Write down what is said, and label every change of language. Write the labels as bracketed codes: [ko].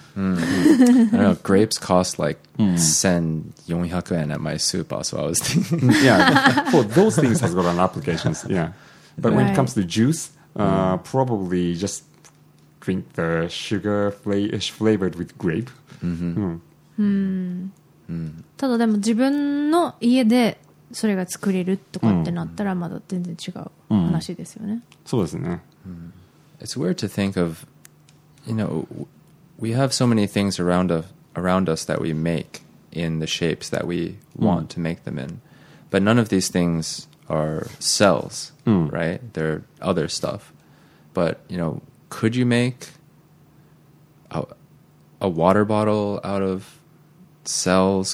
[en] I don't know, grapes cost like 1,400 yen at my super, so I was thinking, for those things has got an applications, But when it comes to juice, probably just drink the sugar flavored with grape. [ja] ただでも自分の家でそれが作れるとかってなったらまだ全然違う話ですよね。そうですね。 [en] It's weird to think of, you know, we have so many things around, around us that we make in the shapes that we want to make them in. But none of these things are cells, right? They're other stuff. But, you know, could you make a water bottle out of cells?